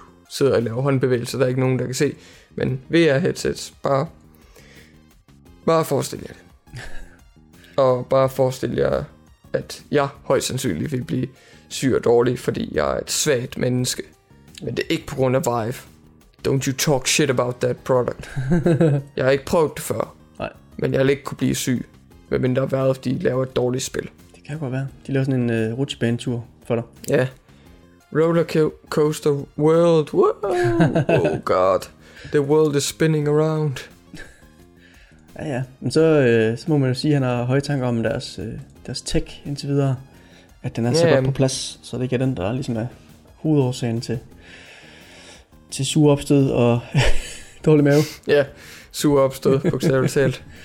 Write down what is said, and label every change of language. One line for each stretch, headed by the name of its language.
Danish: Sidder og laver håndbevægelser, der er ikke nogen, der kan se, men VR headsets, bare forestil jer det. Og bare forestil jer, at jeg højst sandsynligt vil blive syg og dårlig, fordi jeg er et svagt menneske, men det er ikke på grund af Vive.
English: Don't you talk shit about that product.
Danish: Jeg har ikke prøvet det før. Nej. Men jeg har ikke kunne blive syg. Men der har været, de laver et dårligt spil. Det kan godt være. De laver sådan en rutsjebanetur for dig.
English: Ja. Yeah. Roller coaster world. Whoa. Oh god. The world is spinning around.
Danish: Ja, ja. Men så må man jo sige, at han har høje tanker om deres tech indtil videre. At den er så godt på plads. Så det ikke er den, der ligesom er hovedårsagen til sure opstød og dårlig mave. Ja, sure opstød, bogstaveligt talt.